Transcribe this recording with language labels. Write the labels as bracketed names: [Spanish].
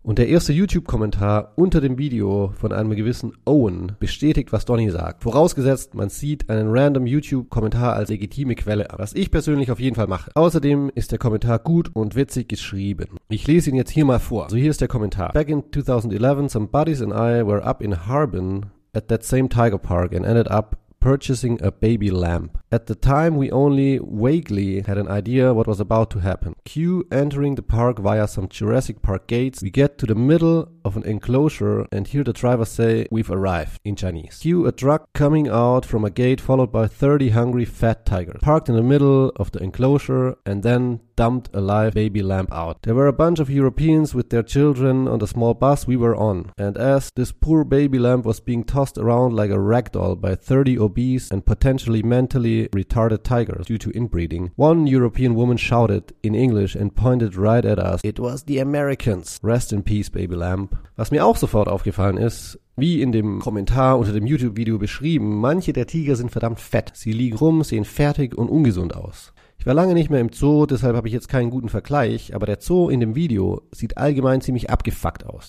[German] Und der erste YouTube-Kommentar unter dem Video von einem gewissen Owen bestätigt, was Donny sagt. Vorausgesetzt, man sieht einen random YouTube-Kommentar als legitime Quelle an, was ich persönlich auf jeden Fall mache. Außerdem ist der Kommentar gut und witzig geschrieben. Ich lese ihn jetzt hier mal vor. So, hier ist der Kommentar. [English] Back in 2011, some buddies and I were up in Harbin at that same tiger park and ended up purchasing a baby lamb. At the time, we only vaguely had an idea what was about to happen. Cue entering the park via some Jurassic Park gates. We get to the middle of an enclosure and hear the driver say, "We've arrived," in Chinese. Cue a truck coming out from a gate followed by 30 hungry fat tigers. Parked in the middle of the enclosure and then dumped a live baby lamb out. There were a bunch of Europeans with their children on the small bus we were on. And as this poor baby lamb was being tossed around like a ragdoll by 30 obese and potentially mentally retarded tigers due to inbreeding, one European woman shouted in English and pointed right at us, "It was the Americans. Rest in peace, baby lamb." [German] Was mir auch sofort aufgefallen ist, wie in dem Kommentar unter dem YouTube-Video beschrieben, manche der Tiger sind verdammt fett. Sie liegen rum, sehen fertig und ungesund aus. Ich war lange nicht mehr im Zoo, deshalb habe ich jetzt keinen guten Vergleich, aber der Zoo in dem Video sieht allgemein ziemlich abgefuckt aus.